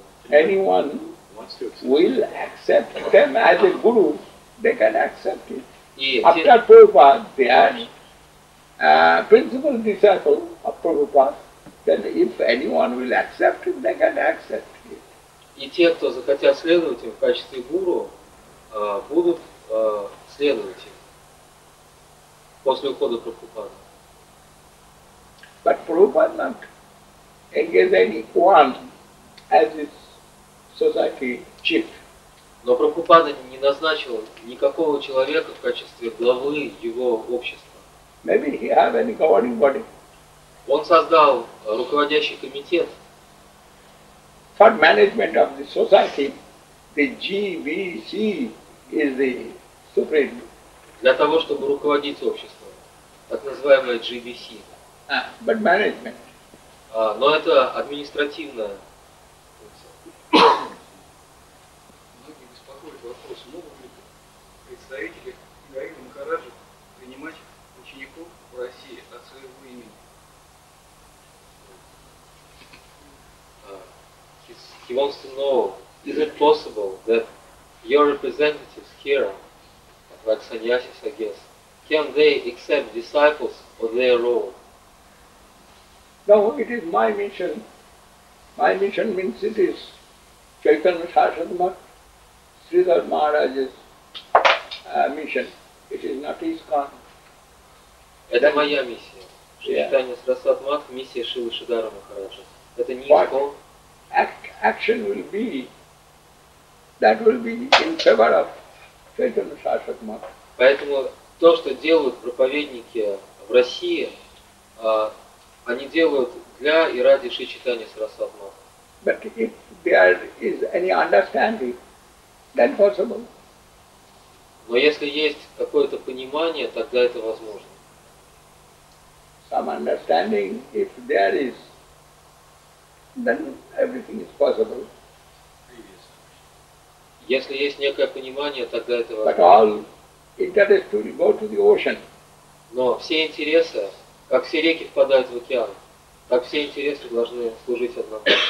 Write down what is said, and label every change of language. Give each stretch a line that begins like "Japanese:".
English: Anyone will accept them as a guru, they can accept it. After Prabhupada, they are principal disciple of Prabhupada. Then if anyone will accept it, they can accept it.
Russian: И те, кто захотят следовать им в качестве гуру, будут следовать им после ухода Прабхупады.
English: But Prabhupada not engage anyone as his society chief.
Russian: Но Прабхупада не назначил никакого человека в качестве главы его общества.
English: Maybe he have any governing body.
Russian: Он создал руководящий комитет.
English: for management of the society, the GVC is the supreme.
Russian: Для того, чтобы руководить обществом, так называемое GVC.
English: But management.
Russian: Но это административная функция. Многие беспокоят вопрос, могут ли представители Гарина Махараджи принимать учеников в России от своего имени?
English: He wants to know, is it possible that your representatives here, like sannyasis, I guess, can they accept disciples for their role? No, it is my mission. My mission means it is Chaitanya Sarasvati Sridhar Maharaj's mission. It is not ISKCON.
Russian: Это моя миссия. Chaitanya Sarasvati Math, миссия Шрилы Шридхара Махараджа. Это не ISKCON.
English: Action will be, that will be in favor of Chaitanya Sarasvati Math.
Russian: Поэтому то, что делают проповедники в России, они делают для и ради Шри Чайтаньи Сарасвати Матхи.
English: But if there is any understanding, then possible.
Russian: Но если есть какое-то понимание, тогда это возможно.
English: Some understanding, if there is, then everything is possible.
Russian: Если есть некое понимание, тогда это возможно.
English: But all interest will go to the ocean.
Russian: Но все интересы, как все реки впадают в океан, так все интересы должны служить одному.